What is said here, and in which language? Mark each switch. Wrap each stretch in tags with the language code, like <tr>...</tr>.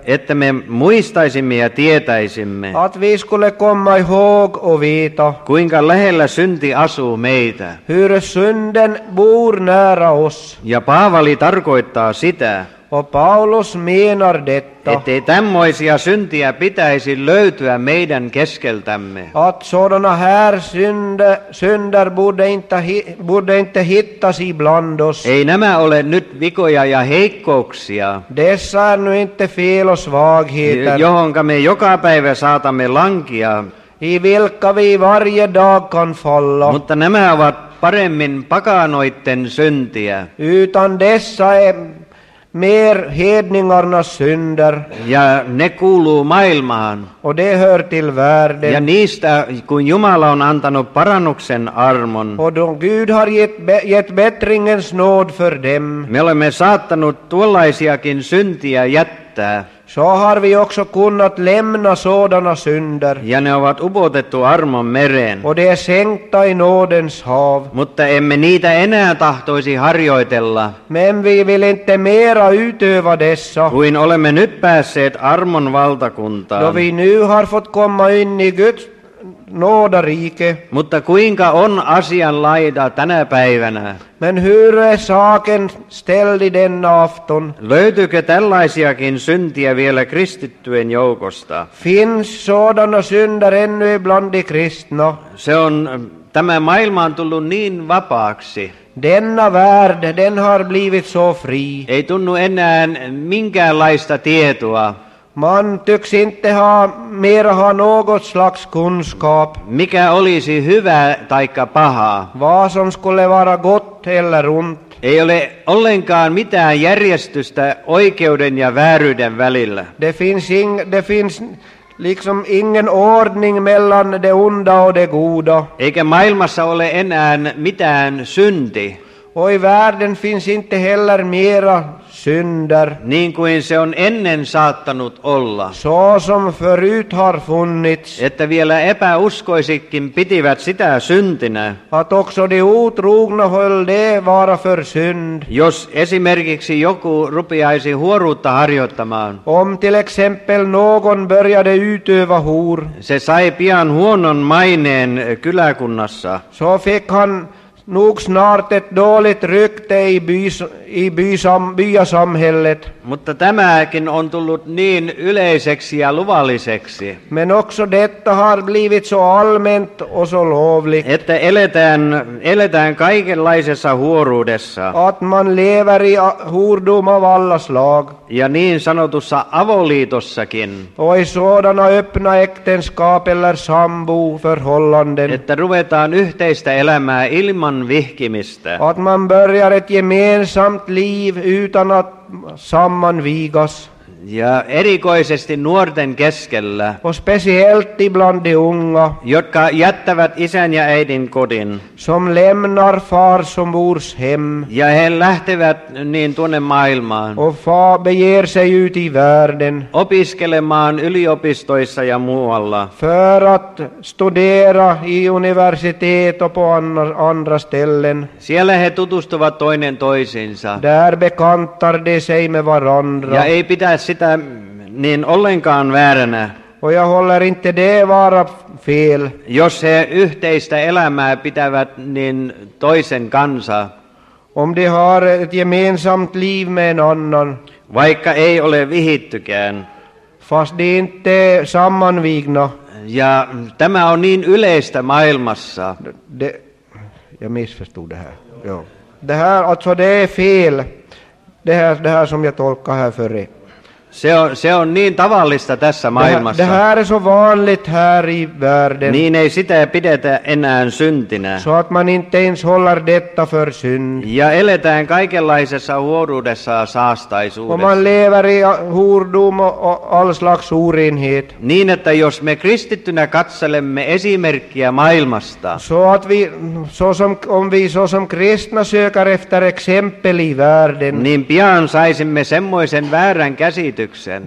<fi>että me muistaisimme ja tietäisimme,</fi> <sv>att vi skulle komma ihåg och veta,</sv> <fi>kuinka lähellä synti asuu meitä.</fi> <sv>Hur synden bor nära oss.</sv> <fi>Ja Paavali tarkoittaa sitä,</fi> <sv>och Paulus menar detta,</sv> <fi>ettei tämmöisiä syntiä pitäisi löytyä meidän keskeltämme.</fi> <sv>Att sådana här synder borde inte hittas ibland oss.</sv> <fi>Ei nämä ole nyt vikoja ja heikkouksia.</fi> <sv>Dessa är nu inte fel och svagheter.</sv> <fi>Johonka me joka päivä saatamme lankia.</fi> <sv>I vilka vi varje dag kan falla.</sv> <fi>Mutta nämä ovat paremmin pakanoitten syntiä.</fi> <sv>Utan dessa mer hedningarnas synder.</sv> <fi>Ja ne kuuluu maailmaan.</fi> <sv>Och det hör till världen.</sv> <fi>Ja niistä, kun Jumala on antanut parannuksen armon.</fi> <sv>Och då Gud har gett bättringens nåd för dem.</sv> <fi>Me olemme saattanut tuollaisiakin syntiä jättää.</fi> <sv>Så har vi också kunnat lämna sådana synder.</sv> <fi>Ja ne ovat upotettu armon mereen.</fi> <sv>Och det är sänkta i nådens hav.</sv> <fi>Mutta emme niitä enää tahtoisi harjoitella.</fi> <sv>Men vi vill inte mera utöva dessa.</sv> <fi>Kuin olemme nyt päässeet armon valtakuntaan.</fi> <sv>Då vi nu har fått komma in i Guds nådarike.</sv> <fi>Mutta kuinka on asian laita tänä päivänä?</fi> <sv>Men hur är saken ställd i denna afton?</sv> <fi>Löytyykö tällaisiakin syntiä vielä kristittyen joukosta?</fi> <sv>Finns sådana synder ännu ibland i kristna?</sv> <fi>Se on, tämä maailma on tullut niin vapaaksi.</fi> <sv>Denna värld, den har blivit så fri.</sv> <fi>Ei tunnu enää minkäänlaista tietoa.</fi> <sv>Man tycks inte ha mer ha något slags kunskap.</sv> <fi>Mikä olisi hyvä taikka paha?</fi> <sv>Vad som skulle vara gott eller ont.</sv> <fi>Ei ole ollenkaan mitään järjestystä oikeuden ja vääryyden välillä.</fi> <sv>Det finns liksom ingen ordning mellan det onda och det goda.</sv> <fi>Eikä maailmassa ole enää mitään synti.</fi> <sv>Och i världen finns inte heller mera synder.</sv> <fi>Niin kuin se on ennen saattanut olla.</fi> <sv>Så som förut har funnits.</sv> <fi>Että vielä epäuskoisikin pitivät sitä syntinä.</fi> <sv>Att också de otrogna höll det vara för synd.</sv> <fi>Jos esimerkiksi joku rupiaisi huoruutta harjoittamaan.</fi> <sv>Om till exempel någon började utöva hur.</sv> <fi>Se sai pian huonon maineen kyläkunnassa.</fi> <sv>Så fick han nog snart ett dåligt rykte i bysamhället.</sv> <fi>Mutta tämäkin on tullut niin yleiseksi ja luvalliseksi.</fi> <sv>Men också detta har blivit så allmänt och så lovligt.</sv> <fi>Että eletään kaikenlaisessa huoruudessa.</fi> <sv>Att man lever i hurdom av alla slag.</sv> <fi>Ja niin sanotussa avoliitossakin.</fi> <sv>Oi sådana öppna äktenskap eller sambo förhållanden.</sv> <fi>Että ruvetaan yhteistä elämää ilman vihkimistä.</fi> <sv>Att man börjar ett gemensamt liv utan att sammanvigas.</sv> <fi>Ja erikoisesti nuorten keskellä.</fi> <sv>Och speciellt ibland de unga.</sv> <fi>Jotka jättävät isän ja äidin kodin.</fi> <sv>Som lämnar far som mors hem.</sv> <fi>Ja he lähtevät niin tuonne maailmaan.</fi> <sv>Och far beger sig ut i världen.</sv> <fi>Opiskelemaan yliopistoissa ja muualla.</fi> <sv>För att studera i universitet och på andra ställen.</sv> <fi>Siellä he tutustuvat toinen toisiinsa.</fi> <sv>Där bekantar de sig med varandra.</sv> <fi>Ja ei pitäisi sitä niin ollenkaan vääränä.</fi> <sv>Och jag håller inte det vara fel.</sv> <fi>Jos he yhteistä elämää pitävät niin toisen kanssa.</fi> <sv>Om de har ett gemensamt liv med en annan.</sv> <fi>Vaikka ei ole vihittykään.</fi> <sv>Fast de inte sammanvigna.</sv> <fi>Ja tämä on niin yleistä maailmassa.</fi> <sv>Jag missförstod det här. Joo. Det här, alltså det är fel. Det här som jag tolkar här förr.</sv> <fi>Se on niin tavallista tässä maailmassa.</fi> <sv>Det här är så vanligt här i världen.</sv> <fi>Niin ei sitä pidetä enää syntinä.</fi> <sv>Så att man inte ens håller detta för synd.</sv> <fi>Ja eletään kaikenlaisessa huoruudessa ja saastaisuudessa.</fi> <sv>Och man lever i hurdom och all slags orenhet.</sv> <fi>Niin että jos me kristittynä katselemme esimerkkiä maailmasta.</fi> <sv>Så som kristna söker efter exempel i världen.</sv> <fi>Niin pian saisimme semmoisen väärän käsityksen.</fi>